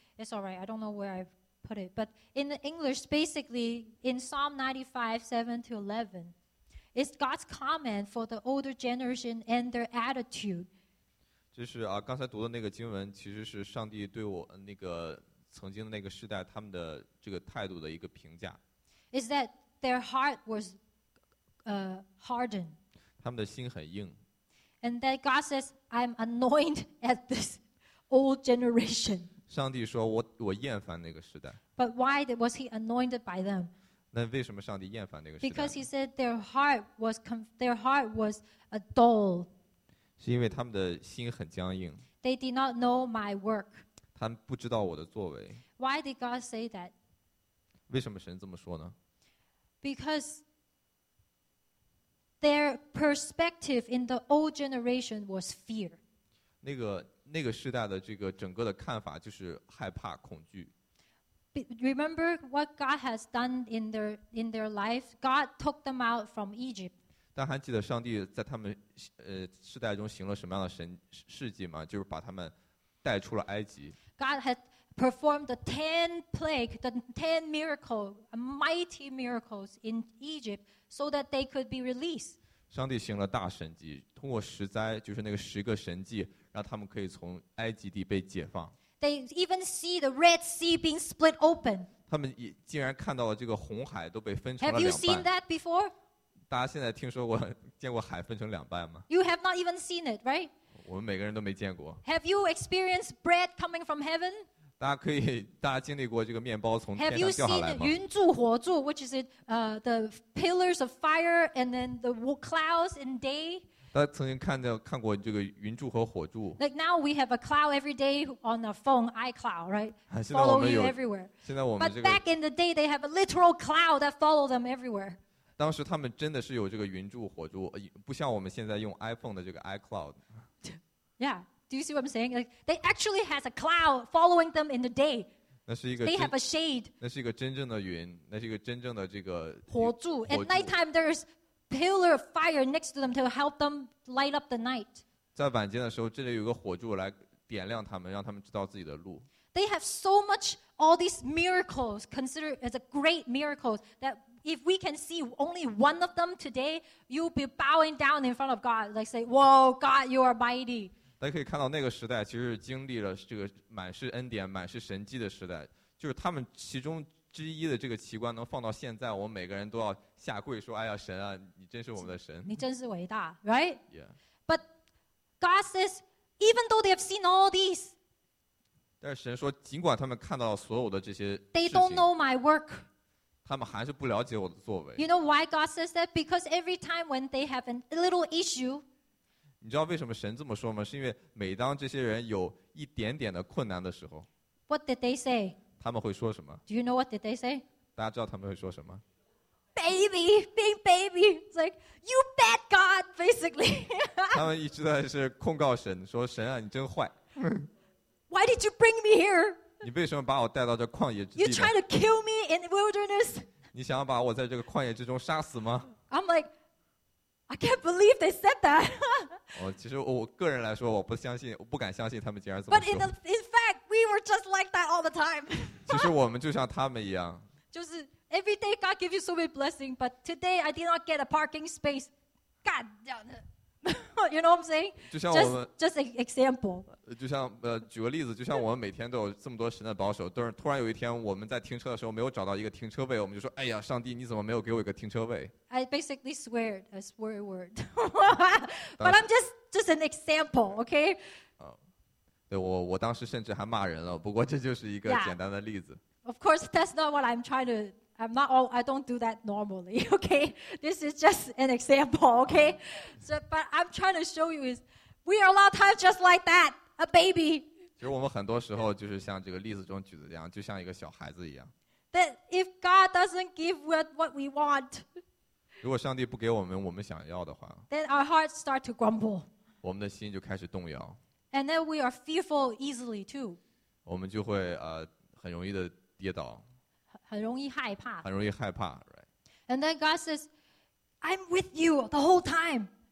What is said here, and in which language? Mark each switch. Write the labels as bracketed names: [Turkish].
[English] It's all right. I don't know where I put it. But in the English, basically, in Psalm 95:7-11, it's God's comment for the older generation and their attitude. [Chinese] 就是啊，刚才读的那个经文，其实是上帝对我那个曾经的那个世代他们的这个态度的一个评价。 [English] Is that their heart was hardened? [Chinese] 他们的心很硬。 [English] And that God says, "I'm annoyed at this." Old generation. [Chinese] 上帝说我厌烦那个时代。 [English] But why was he anointed by them? [Chinese] 那为什么上帝厌烦那个时代？ [English] Because he said their heart was a dull. [Chinese] 是因为他们的心很僵硬。 [English] They did not know my work. [Chinese] 他们不知道我的作为。 [English] Why did God say that? [Chinese] 为什么神这么说呢？ [English] Because their perspective in the old generation was fear. [Chinese] 那个时代的这个整个的看法就是害怕恐惧。 [English] Remember what God has done in their life. God took them out from Egypt. [Chinese] 但还记得上帝在他们世代中行了什么样的神事迹吗？就是把他们带出了埃及。 [English] God had performed the 10 plague, the 10 miracle, mighty miracles in Egypt, so that they could be released. [Chinese] 上帝行了大神迹，通过十灾，就是那个十个神迹。让他们可以从埃及地被解放。 [English] They even see the Red Sea being split open. [Chinese] 他们也竟然看到了这个红海都被分成了两半。 [English] Have you seen that before? [Chinese] 大家现在听说过见过海分成两半吗 [English] ？You have not even seen it, right? [Chinese] 我们每个人都没见过。 [English] Have you experienced bread coming from heaven? [Chinese] 大家经历过这个面包从天上掉下来吗 [English] ？Have you seen 云柱火柱 ，which is the pillars of fire and then the clouds in day? [Chinese] 他曾经看过这个云柱和火柱。 [English] Like now we have a cloud every day on the phone, iCloud, right? Follow you everywhere. [Chinese] 现在我们这个。 [English] But back in the day, they have a literal cloud that follow them everywhere. [Chinese] 当时他们真的是有这个云柱火柱，不像我们现在用 iPhone 的这个 iCloud. [English] Yeah, do you see what I'm saying? Like they actually has a cloud following them in the day. [Chinese] 那是一个。 [English] They have a shade. [Chinese] 那是一个真正的云，那是一个真正的这个。 [English] 火柱。At night time, there's. Pillar of fire next to them to help them light up the night. [Chinese] 在晚间的时候，这里有个火柱来点亮他们，让他们知道自己的路。 [English] They have so much all these miracles considered as a great miracles that if we can see only one of them today, you'll be bowing down in front of God, like say, "Whoa, God, you are mighty." [Chinese] 大家可以看到那个时代其实经历了这个满是恩典、满是神迹的时代，就是他们其中。之一的这个奇观能放到现在，我们每个人都要下跪说：“哎呀，神啊，你真是我们的神！” 你真是伟大 ，right？ [English] Yeah. But God says, even though they have seen all these, [Chinese] 但是神说，尽管他们看到了所有的这些事情 [English] ，they don't know my work. [Chinese] 他们还是不了解我的作为。 [English] You know why God says that? Because every time when they have a little issue. [Chinese] 你知道为什么神这么说吗？是因为每当这些人有一点点的困难的时候 [English] ，What did they say? [Chinese] 他们会说什么 [English] ？Do you know what did they say？ [Chinese] 大家知道他们会说什么 [English] ？Baby, being baby, it's like you bet God, basically. [Chinese] 他们一直在是控告神，说神啊，你真坏。 [English] Why did you bring me here? [Chinese] 你为什么把我带到这旷野之地呢？ [English] You try to kill me in the wilderness. [Chinese] 你想要把我在这个旷野之中杀死吗？ [English] I'm like, I can't believe they said that. [Chinese] 我其实我个人来说，我不相信，我不敢相信他们竟然这么说。 [English] But in fact, we were just like that all the time. [Chinese] 其实我们就像他们一样。 [English] 就是 every day God gives you so many blessings, but today I did not get a parking space. God, you know what I'm saying? [Chinese] 就像我们 [English] just an example. [Chinese] 就像举个例子，就像我们每天都有这么多神的保守，但是突然有一天我们在停车的时候没有找到一个停车位，我们就说，哎呀，上帝，你怎么没有给我一个停车位？ [English] I basically swear a swear word, but I'm just an example, okay? [Chinese] 对，我当时甚至还骂人了，不过这就是一个简单的例子。 [English] Yeah. Of course, that's not what I'm trying to. I'm not all. I don't do that normally. Okay, this is just an example. Okay, so but I'm trying to show you is we are a lot of times just like that, a baby. [Chinese] 其实我们很多时候就是像这个例子中举的一样，就像一个小孩子一样。 [English] That if God doesn't give what we want, [Chinese] 如果上帝不给我们我们想要的话 [English] ，then our hearts start to grumble. [Chinese] 我们的心就开始动摇。 [English] And then we are fearful easily too. [Chinese] 我们就会很容易的跌倒，很容易害怕，很容易害怕 ，right? [English] And then God says, "I'm with you the whole time."